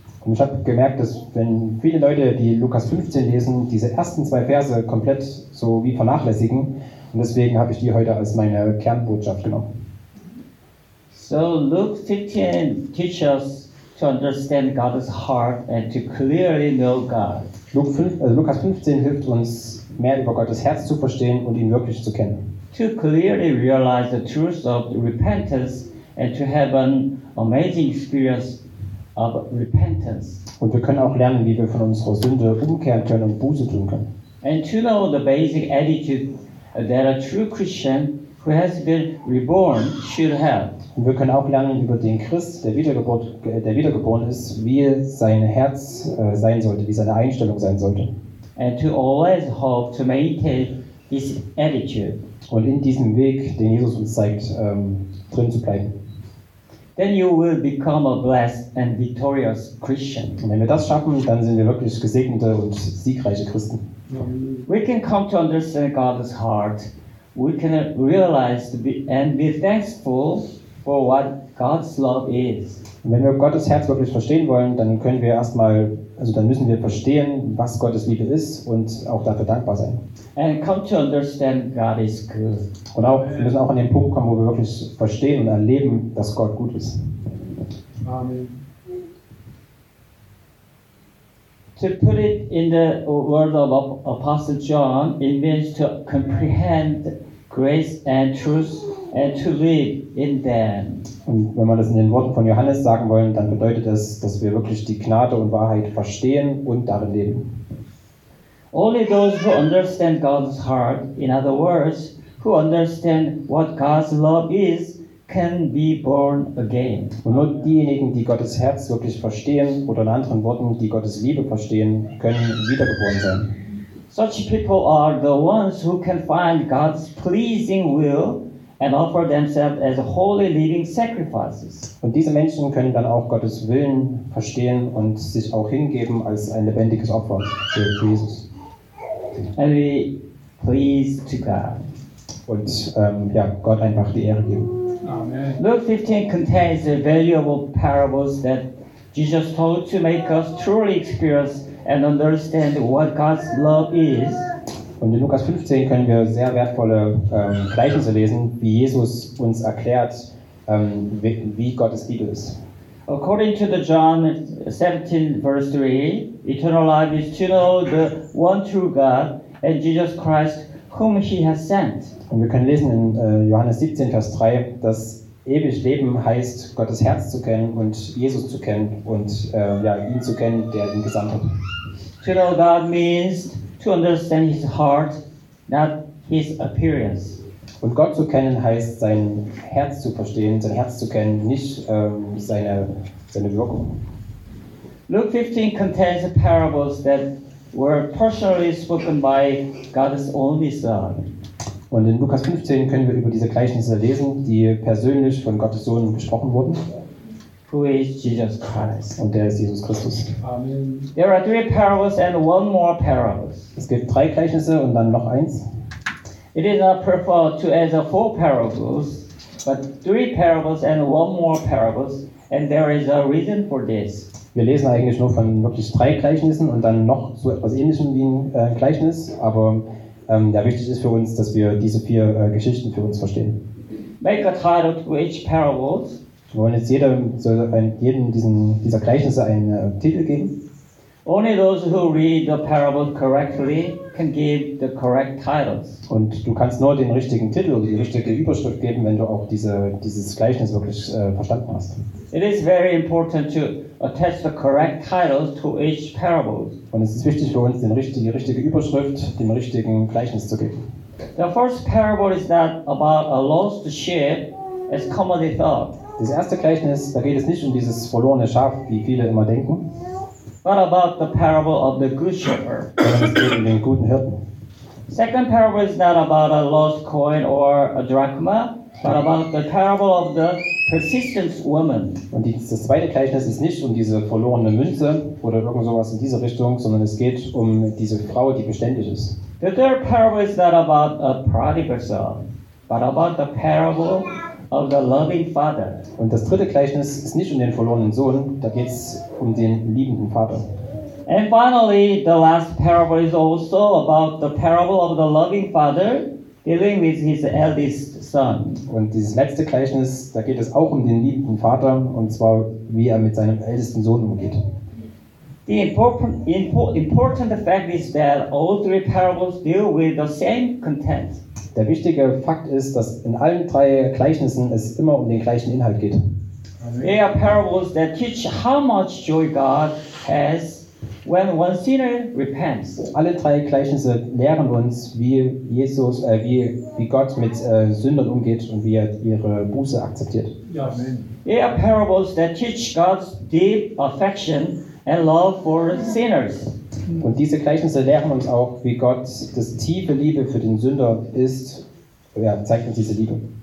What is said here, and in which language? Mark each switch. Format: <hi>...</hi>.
<de>Und ich habe gemerkt, dass wenn viele Leute, die Lukas 15 lesen, diese ersten zwei Verse komplett so wie vernachlässigen, und deswegen habe ich die heute als meine Kernbotschaft genommen.</de> <en>So Luke 15 teaches us to understand God's heart and to clearly know God.</en> <de>Lukas 15 hilft uns, mehr über Gottes Herz zu verstehen und ihn wirklich zu kennen.</de> <en>To clearly realize the truth of repentance and to have an amazing experience of repentance.</en> <de>Und wir können auch lernen, wie wir von unserer Sünde umkehren können und Buße tun können.</de> <en>And to know the basic attitude that a true Christian who has been reborn should have.</en> <de>Und wir können auch lernen über den Christ, der wiedergeboren ist, wie sein Herz sein sollte, wie seine Einstellung sein sollte.</de> <en>And to always hope to maintain this attitude.</en> <de>Und in diesem Weg, den Jesus uns zeigt, drin zu bleiben.</de> <en>Then you will become a blessed and victorious Christian.</en> <de>Und wenn wir das schaffen, dann sind wir wirklich gesegnete und siegreiche Christen.</de> <en>We can come to understand God's heart. We can realize and be thankful for what God's love is.</en> <de>Wenn wir Gottes Herz wirklich verstehen wollen, dann können wir erstmal, also dann müssen wir verstehen, was Gottes Liebe ist und auch dafür dankbar sein.</de> <en>And come to understand God is good.</en> <de>Und auch, wir müssen auch an den Punkt kommen, wo wir wirklich verstehen und erleben, dass Gott gut ist. Amen.</de> <en>to put it in the words of Apostle John, it means to comprehend grace and truth and to live in them.</en> <de>Und wenn wir das in den Worten von Johannes sagen wollen, dann bedeutet das, dass wir wirklich die Gnade und Wahrheit verstehen und darin leben.</de> <en>Only those who understand God's heart, in other words, who understand what God's love is, can be born again.</en> <de>Und nur diejenigen, die Gottes Herz wirklich verstehen, oder in anderen Worten, die Gottes Liebe verstehen, können wiedergeboren sein.</de> <en>Such people are the ones who can find God's pleasing will and offer themselves as holy living sacrifices.</en> <de>Und diese Menschen können dann auch Gottes Willen verstehen und sich auch hingeben als ein lebendiges Opfer für Jesus.</de> <en>And be pleased to God.</en> <de>Und ja, Gott einfach die Ehre geben. Amen.</de> <en>Luke 15 contains the valuable parables that Jesus told to make us truly experience and understand what God's love is.</en> <de>Und in Lukas 15 können wir sehr wertvolle Gleichnisse lesen, wie Jesus uns erklärt, wie Gottes Liebe ist.</de> <en>According to the John 17 verse 3, eternal life is to know the one true God and Jesus Christ whom he has sent.</en> <de>Und wir können lesen in Johannes 17, Vers 3, dass ewig Leben heißt, Gottes Herz zu kennen und Jesus zu kennen und ja, ihn zu kennen, der ihn gesandt hat.</de> <en>To know God means to understand his heart, not his appearance.</en> <de>Und Gott zu kennen heißt, sein Herz zu verstehen, sein Herz zu kennen, nicht seine Wirkung.</de> <en>Luke 15 contains the parables that were personally spoken by God's only Son.</en> <de>Und in Lukas 15 können wir über diese Gleichnisse lesen, die persönlich von Gottes Sohn gesprochen wurden.</de> <en>Who is Jesus Christ?</en> <de>Und der ist Jesus Christus. Amen.</de> <en>There are three parables and one more parable.</en> <de>Es gibt drei Gleichnisse und dann noch eins.</de> <en>It is not preferred to add four parables, but three parables and one more parable, and there is a reason for this.</en> <de>Wir lesen eigentlich nur von wirklich drei Gleichnissen und dann noch so etwas Ähnlichem wie ein Gleichnis, aber ja, wichtig ist für uns, dass wir diese vier Geschichten für uns verstehen.</de> <en>Make a title to each parable.</en> <de>Wir wollen jetzt jedem dieser Gleichnisse einen Titel geben.</de> <en>Only those who read the parable correctly can give the correct titles.</en> <de>Und du kannst nur den richtigen Titel oder die richtige Überschrift geben, wenn du auch dieses Gleichnis wirklich verstanden hast.</de> <en>It is very important to attach the correct titles to each parable.</en> <de>Und es ist wichtig für uns, die richtige Überschrift, dem richtigen Gleichnis zu geben.</de> <en>The first parable is not about a lost sheep, as commonly thought.</en> <de>Das erste Gleichnis, da geht es nicht um dieses verlorene Schaf, wie viele immer denken.</de> <en>What about the parable of the good shepherd?</en> <de>Es geht um den guten Hirten.</de> <en>Second parable is not about a lost coin or a drachma, but about the parable of the persistent woman.</en> <de>Und das zweite Gleichnis ist nicht um diese verlorene Münze oder irgend sowas in diese Richtung, sondern es geht um diese Frau, die beständig ist.</de> <en>The third parable is not about a prodigal son, but about the parable of the loving father.</en> <de>Und das dritte Gleichnis ist nicht um den verlorenen Sohn, da geht es um den liebenden Vater.</de> <en>And finally, the last parable is also about the parable of the loving father dealing with his eldest son.</en> <de>Und dieses letzte Gleichnis, da geht es auch um den liebenden Vater, und zwar wie er mit seinem ältesten Sohn umgeht.</de> <en>The important fact is that all three parables deal with the same content.</en> <de>Der wichtige Fakt ist, dass in allen drei Gleichnissen es immer um den gleichen Inhalt geht.</de> <en>They are parables that teach how much joy God has when one sinner repents.</en> <de>Alle drei Gleichnisse lehren uns, wie Jesus, wie Gott mit Sündern umgeht und wie er ihre Buße akzeptiert. Amen.</de> <en>They are parables that teach God's deep affection and love for sinners.</en> <de>Und diese Gleichnisse lehren uns auch, wie Gott das tiefe Liebe für den Sünder ist. Ja, zeigt uns diese Liebe.</de>